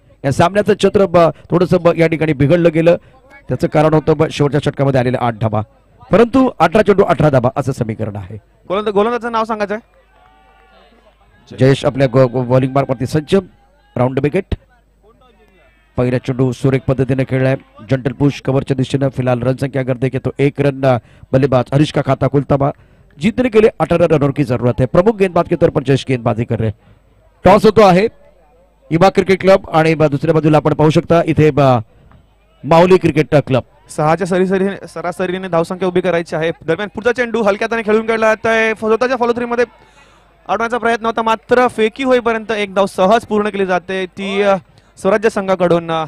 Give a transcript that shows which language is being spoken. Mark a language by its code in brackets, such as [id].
[mr] या सामन्याचं चित्र थोडंस या ठिकाणी बिघडलं गेलं, त्याचं कारण होतं शेवटच्या षटकामध्ये आलेले 8 धावा, परंतु 18 चेंडू 18 धावा असं समीकरण आहे. गोलंदाजाचं नाव सांगायचं जयेश आपल्या बॉलिंग मार्गवरती सज्ज राउंड विकेट. पहिला चेंडू सुरेख पद्धतीने खेळलाय, जंटल पुश कव्हरच्या दिशेनं. [hi] फिलहाल रन संख्या [mr] गर्दे घेतो, [hi] एक रन बल्लेबाज हरीश का खाता खुलताबा. जीतने के लिए 18 रनों की जरूरत है. प्रमुख गेंदबाज के तौर पर जयेश गेंदबाजी कर रहे. [mr] टॉस होतो आहे युवा क्रिकेट क्लब आणि दुसऱ्या बाजूला आपण पाहू शकता इथे माऊली क्रिकेट क्लब. सहाच्या सरासरीने धावसंख्या उभी करायची आहे. दरम्यान पुढचा चेंडू हलक्यातने खेळून काढला जातोय. स्वतःच्या फॉलो थ्री मध्ये अडवण्याचा प्रयत्न होता, मात्र फेकी होईपर्यंत एक धाव सहज पूर्ण केली जाते ती स्वराज्य संघाकडून.